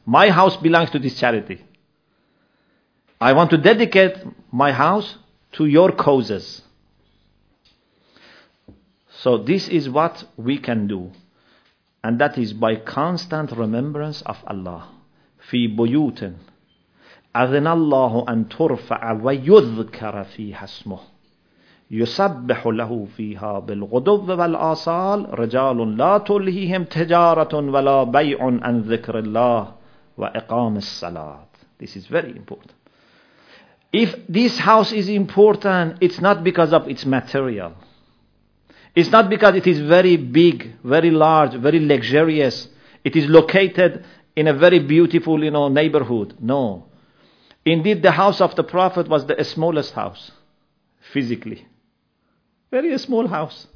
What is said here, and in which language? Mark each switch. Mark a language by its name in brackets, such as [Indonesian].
[English] My house belongs to this charity. I want to dedicate my house to your causes. So this is what we can do. And that is by constant remembrance of Allah. [Arabic] في بيوت أذن الله أن ترفع ويذكر فيها اسمه يسبح له فيها بالغدو والآصال رجال لا تلهيهم تجارة ولا بيع عن ذكر الله وإقام الصلاة. [English] This is very important. If this house is important, it's not because of its material. It's not because it is very big, very large, very luxurious. It is located in a very beautiful, you know, neighborhood. No. Indeed, the house of the Prophet was the smallest house, physically. Very small house.